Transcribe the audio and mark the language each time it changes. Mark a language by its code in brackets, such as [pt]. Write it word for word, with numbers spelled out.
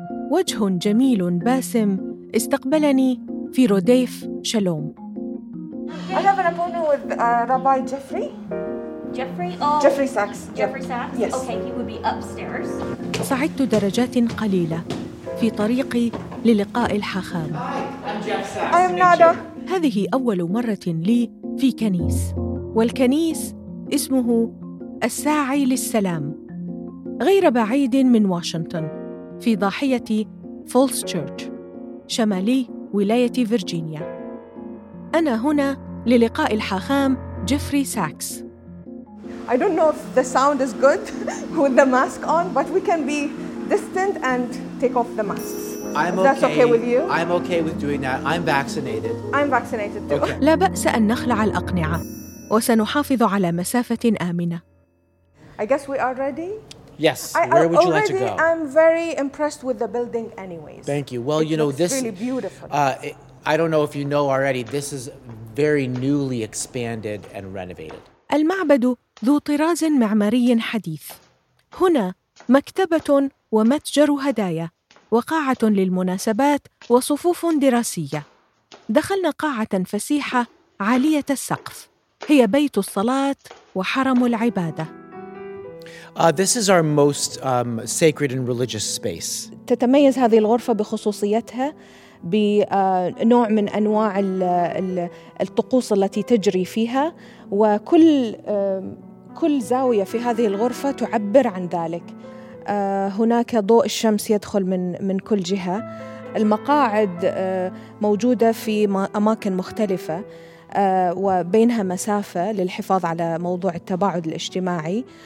[ar] وجه جميل باسم استقبلني في روديف شالوم. [en] I have an appointment with uh, Rabbi Jeffrey. Jeffrey, oh. Jeffrey Sachs. Jeffrey Sachs. Yes. Okay, he would be upstairs. [ar] صعدت درجات قليلة في طريقي للقاء الحاخام. [en] Hi, I'm Jeff Sachs. I'm Nada. [ar] هذه أول مرة لي في كنيس، والكنيس اسمه الساعي للسلام، غير بعيد من واشنطن، في ضاحية فولس تشيرش شمالي ولاية فيرجينيا. أنا هنا للقاء الحاخام جيفري ساكس. [en] I don't know if the sound is good with the mask on, but we can be distant and take off the masks. I'm That's okay. okay with you? I'm okay with doing that. I'm vaccinated. I'm vaccinated too. Okay. [ar] لا بأس أن نخلع الأقنعة وسنحافظ على مسافة آمنة. [en] I guess we are ready. Yes, I, where would you like to go? I'm very impressed with the building anyways. Thank you. Well, it you know, looks this really beautiful. Uh, it, I don't know if you know already, this is very newly expanded and renovated. [ar] المعبد ذو طراز معماري حديث. هنا مكتبة ومتجر هدايا وقاعة للمناسبات وصفوف دراسية. دخلنا قاعة فسيحة عالية السقف، هي بيت الصلاة وحرم العبادة. [en] Uh, this is our most um, sacred and religious space. [ar] تتميز هذه الغرفة بخصوصيتها بنوع من أنواع الطقوس التي تجري فيها، وكل كل زاوية في هذه الغرفة تعبر عن ذلك. هناك ضوء الشمس يدخل من من كل جهة. المقاعد موجودة في أماكن مختلفة وبينها مسافة للحفاظ على موضوع التباعد الاجتماعي.